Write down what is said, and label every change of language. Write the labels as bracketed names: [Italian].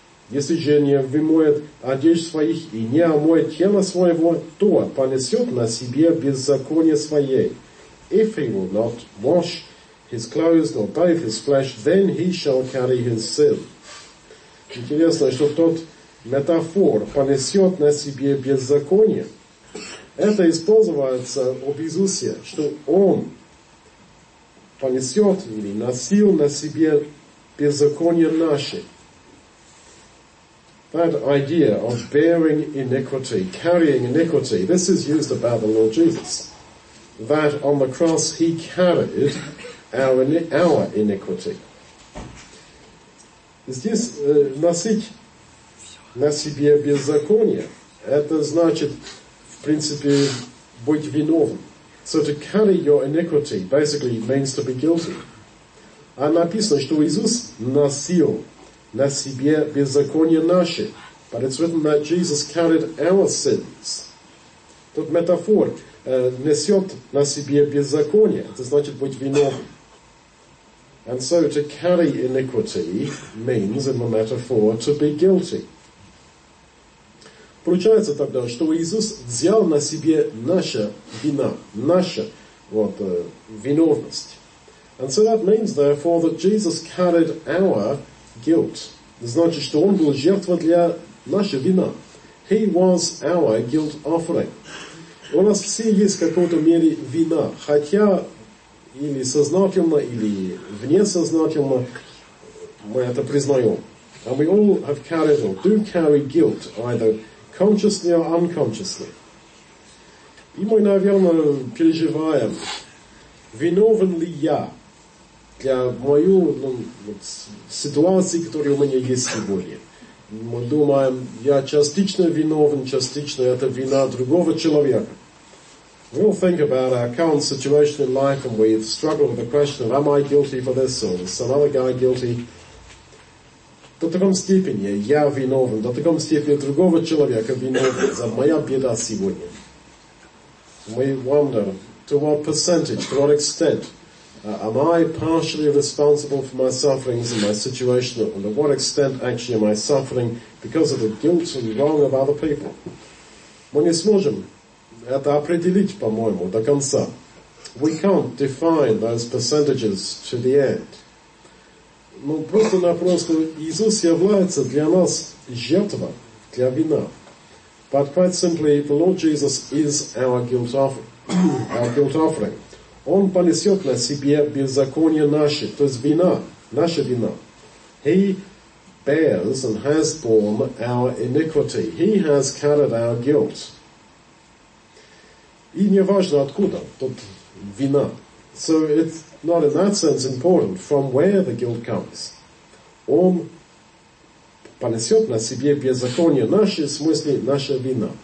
[Russian] если же не вымоет одежды своих и не омоет тело своего, то понесет на себе беззаконие свое. [English] If he will not wash his clothes nor bathe his flesh, then he shall carry his sin. [Russian] Интересно, что тот метафор понесет на себе беззаконие. Это используется об Иисусе, что он понесет или носил на себе беззаконие наше. [English] That idea of bearing iniquity, carrying iniquity, this is used about the Lord Jesus. That on the cross he carried our iniquity. [Russian] Здесь носить на себе беззаконие, это значит, в принципе, быть виновным. [English] So to carry your iniquity basically means to be guilty. [Russian] А написано, что Иисус носил на себе беззаконие наше. [English] But it's written that Jesus carried our sins. [Russian] Тут метафор несет на себе беззаконие. Это значит быть виновным. [English] And so to carry iniquity means, in the metaphor, to be guilty. [Russian] Получается тогда, что Иисус взял на себе наша вина, наша виновность. [English] And so that means, therefore, that Jesus carried our guilt. [Russian] Значит, что он был жертвой для нашей вины. [English] He was our guilt offering. [Russian] У нас все есть в какой-то мере вина, хотя или сознательно, или вне сознательно мы это признаем. [English] And we all have carried or do carry guilt, either consciously or unconsciously. [Russian] И мы, наверное, переживаем, виновен ли я для мою ситуации, которая у меня есть сегодня. Мы думаем, я частично виновен, частично это вина другого человека. [English] We all think about our current situation in life and we struggle with the question of, am I guilty for this or is some other guy guilty? [Russian] До такой степени я виновен, до такой степени другого человека виновен за моя беда сегодня. [English] We wonder, to what percentage, to what extent, am I partially responsible for my sufferings and my situation, and to what extent actually am I suffering because of the guilt and wrong of other people? [Russian] Мы не сможем это определить, по-моему, до конца. [English] We can't define those percentages to the end. [Russian] Ну, просто-напросто, Иисус является для нас жертвой, для вина. [English] But quite simply, the Lord Jesus is our guilt offering. [Russian] Он понесет на себе беззаконие наше, то есть вина, наша вина. [English] He bears and has borne our iniquity. He has carried our guilt. [Russian] И не важно, откуда тут вина. [English] So it's not in that sense important from where the guilt comes. [Russian] Он понесет на себе беззаконие наше, в смысле, наша вина.